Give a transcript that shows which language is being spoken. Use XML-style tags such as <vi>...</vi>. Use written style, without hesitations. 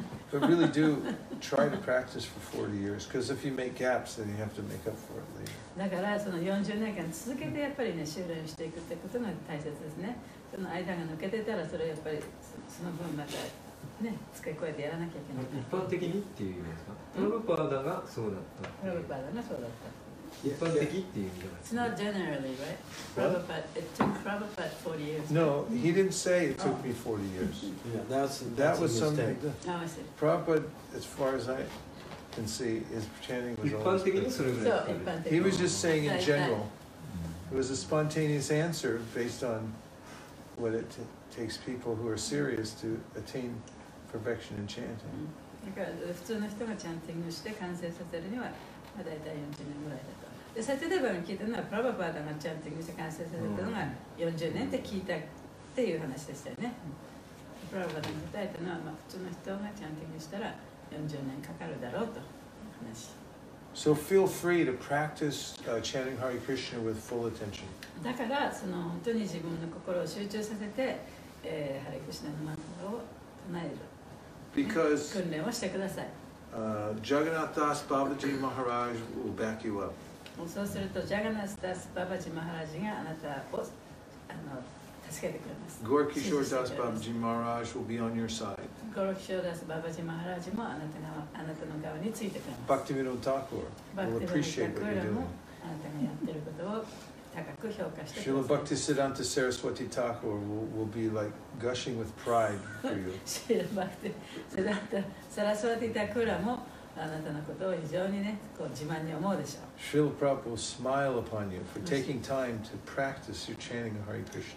<en>But really do try to practice for 40 years, because if you make gaps, then you have to make up for it later.</en> <ja>だからその40年間続けてやっぱりね修練していくってことが大切ですね。その間が抜けてたらそれやっぱりその分またね使い越えてやらなきゃいけない。一般的にっていう意味ですか？プラブパーダがそうだった。プラブパーダがそうだった。一般的っていう意味ではない。</ja> <en>It's not generally, right? It took Prabhupada 40 years. No, he didn't say it took me 40 years. Yeah, that was something. Oh, I see. Prabhupada, as far as I can see, his chanting was always good. So,</en> <ja>一般的に。</ja> <en>He was just saying in general. It was a spontaneous answer based on what it takes people who are serious to attain perfection in chanting.</en> <ja>だから普通の人がチャンティングして完成させるには、だいたい40年ぐらいだと。で、サテデバに聞いたのは、プラバパーダがチャンティングして完成されたのが40年って聞いたっていう話でしたよね。プラバパーダが答えたのは、まあ、普通の人がチャンティングしたら40年かかるだろうという話。</ja> <en>So feel free to practice chanting Hare Krishna with full attention.</en> <ja>だから、その本当に自分の心を集中させて、ハリクシナのマントラを唱える。</ja> <en>Because</en> <ja>訓練をしてください。</ja> <en>Jagannath Das Babaji Maharaj will back you up.</en> <ja>そうすると Jagannath Das Babaji Maharaj があなたを助けてくれます。</ja> <en>Gaurakishore Das Babaji Maharaj will be on your side.</en> <ja>Gaurakishore Das Babaji Maharaj もあなたの側についてくれます。</ja> <en>Bhaktivinoda Thakur will appreciate what you're doing.</en> <ja>あなたがやってることを高く評価してください。</ja> <en>Srila Bhaktisiddhanta Saraswati Thakur will be like gushing with pride for you.</en> <ja>Srila Bhaktisiddhanta Saraswati Thakur もあなたのことを非常にね、こう自慢に思うでしょう。</ja> <en>Srila Prabhupada will smile upon you for taking time to practice your chanting Hare Krishna.</en>